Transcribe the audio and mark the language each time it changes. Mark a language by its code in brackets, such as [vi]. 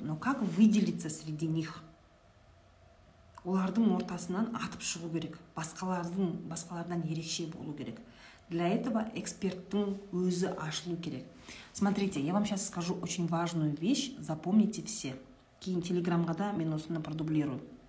[ru] Но как выделиться среди них? [kk] Олардың ортасынан атып шығу керек, басқалардан ерекше болу керек. [ru] Для этого [kk] эксперттің өзі ашылу керек. [ru] Смотрите, я вам сейчас скажу очень важную вещь, запомните все. [kk] Кейін телеграмға да мен осыны продублирую.